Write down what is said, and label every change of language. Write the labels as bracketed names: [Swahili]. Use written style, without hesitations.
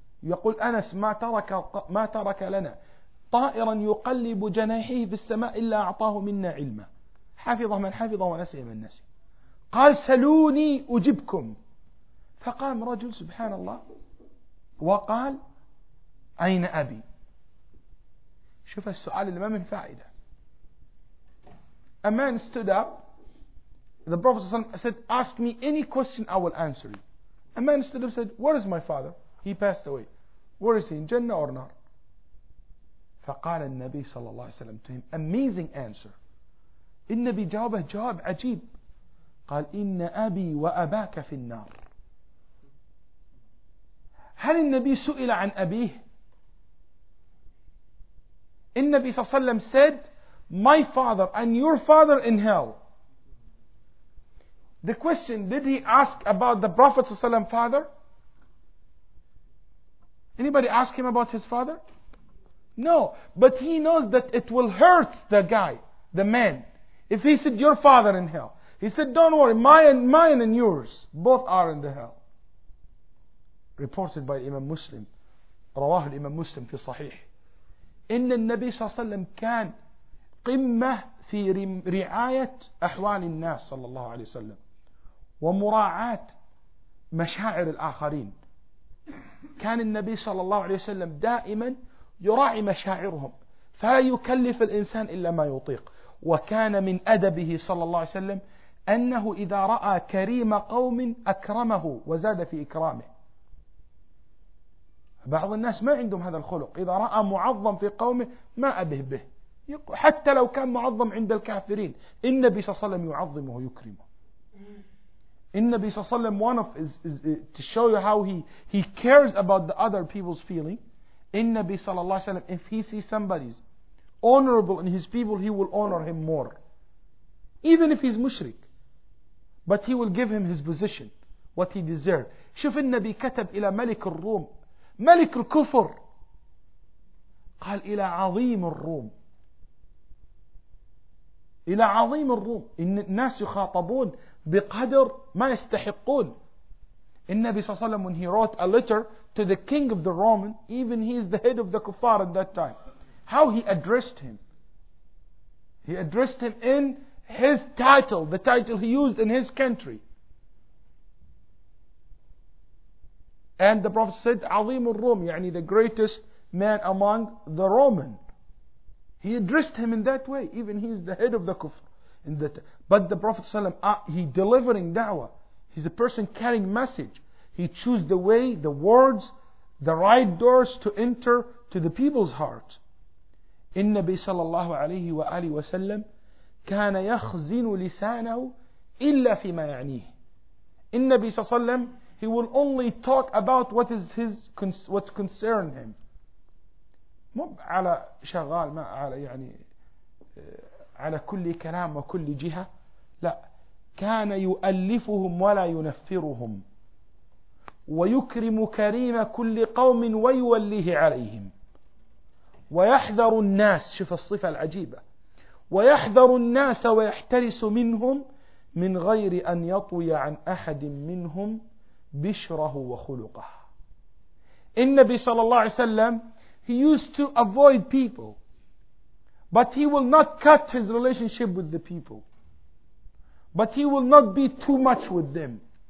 [Arabic] يقول أنس ما ترك لنا طائرا يقلب جناحيه في السماء إلا أعطاه منا علما. حفظه من حفظه ونسي من نسي. قال سلوني أجبكم. فقام رجل سبحان الله وقال أين أبي؟ شوف السؤال اللي ما من فائدة. [English] A man stood up. The Prophet said, ask me any question, I will answer you. A man stood up and said, where is my father? He passed away. Where is he, in Jannah or not? [Arabic] فقال النبي صلى الله عليه وسلم [English] to him, amazing answer. [Arabic] النبي جاوبه جواب عجيب. قال إن أبي وأباك في النار. هل النبي سئل عن أبيه؟ النبي صلى الله عليه وسلم [English] said, my father and your father in hell. The question, did he ask about the Prophet ﷺ father? Anybody ask him about his father? No, but he knows that it will hurt the guy, the man, if he said, your father in hell. He said, don't worry, mine and yours, both are in the hell. Reported by Imam Muslim, [Arabic] رواه الإمام مسلم في صحيح. إن النبي صلى الله عليه وسلم كان قمة في رعاية أحوال الناس صلى الله عليه وسلم ومراعاة مشاعر الآخرين. كان النبي صلى الله عليه وسلم دائما يراعي مشاعرهم فلا يكلف الإنسان إلا ما يطيق. وكان من أدبه صلى الله عليه وسلم أنه إذا رأى كريم قوم أكرمه وزاد في إكرامه. بعض الناس ما عندهم هذا الخلق، إذا رأى معظم في قومه ما أبه به، حتى لو كان معظم عند الكافرين النبي صلى الله عليه وسلم يعظمه ويكرمه. النبي صلى الله عليه وسلم [English] to show you how he cares about the other people's feeling. [Arabic] النبي صلى الله عليه وسلم [English] if he sees somebody honorable in his people he will honor him more even if he's مشرك but he will give him his position what he deserved. [Arabic] شوف النبي كتب إلى ملك الروم ملك الكفر، قال إلى عظيم الروم، إلى عظيم الروم. إن الناس يخاطبون بقدر ما يستحقون. النبي صلى الله عليه وسلم [English] when he wrote a letter to the king of the Roman, even he is the head of the kuffar at that time, how he addressed him. He addressed him in his title, the title he used in his country. And the Prophet said, [Arabic] عظيم الروم, [English] يعني the greatest man among the Roman. He addressed him in that way, even he is the head of the kufr. But the Prophet he delivering da'wah, he's a person carrying message. He choose the way, the words, the right doors to enter to the people's heart. [Arabic] النبي صلى الله عليه وآله وسلم كان يخزن لسانه إلا فيما يعنيه. النبي صلى الله عليه وسلم [English] he will only talk about what is his what's concern him. [Arabic] مب على شغال ما على يعني على كل كلام وكل جهة. لا كان يؤلفهم ولا ينفرهم ويكرم كريم كل قوم ويوليه عليهم ويحذر الناس. شوف الصفة العجيبة. ويحذر الناس ويحترس منهم من غير أن يطوي عن أحد منهم بشره وخلقه. النبي صلى الله عليه وسلم [English] he used to avoid people but he will not cut his relationship with the people but he will not be too much with them.